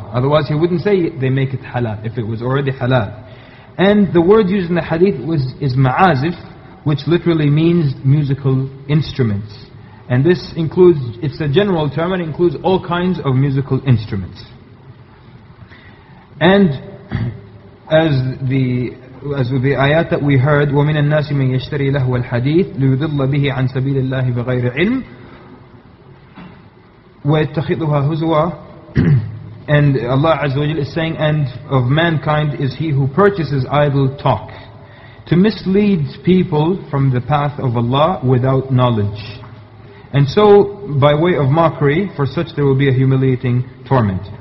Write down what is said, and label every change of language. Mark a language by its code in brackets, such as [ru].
[en] Otherwise he wouldn't say they make it halal, if it was already halal. And the word used in the hadith is ma'azif, which literally means musical instruments. And this includes, it's a general term, and includes all kinds of musical instruments. And as the ayat that we heard, [ar] وَمِنَ النَّاسِ مَنْ يَشْتَرِي لَهْوَ الْحَدِيثِ لِيُذِلَّ بِهِ عَنْ سَبِيلِ اللَّهِ بِغَيْرِ عِلْمٍ وَيَتَّخِذُهَا هُزُوًا. [en] And Allah Azza wa Jal is saying, and of mankind is he who purchases idle talk to mislead people from the path of Allah without knowledge. And so, by way of mockery, for such there will be a humiliating torment.